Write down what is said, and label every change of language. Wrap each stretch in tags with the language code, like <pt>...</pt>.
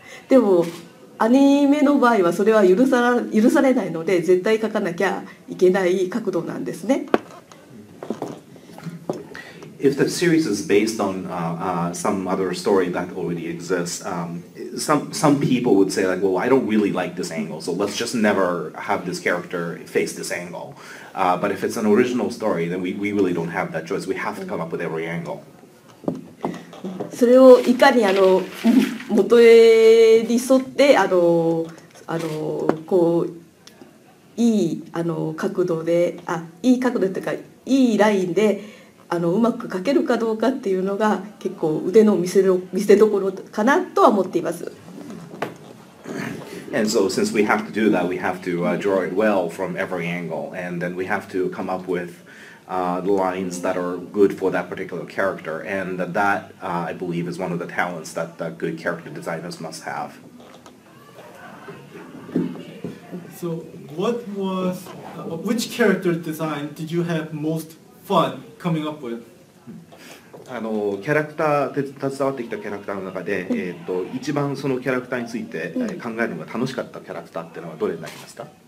<ja>でもアニメの場合はそれは許されないので絶対描かなきゃいけない角度なんですね。</ja> <en>If the series is based on some other story that already exists, some people would say like, well, I don't really like this angle, so let's just never have this character face this angle. But if it's an original story, then we really don't have that choice. We have to come up with every angle.</en> <ja>それをいかに元へに沿ってこういい角度でいい角度というかいいラインでうまく描けるかどうかっていうのが結構腕の見せどころかなとは思っています。</ja> <en>And so since we have to do that, we have to draw it well from every angle, and then we have to come up with the lines that are good for that particular character, and that I believe is one of the talents that the good character designers must have. So what was which character design did you have most fun?</en> <ja>キャラクターで携わってきたキャラクターの中で、一番そのキャラクターについて考えるのが楽しかったキャラクターっていうのはどれになりますか？</ja>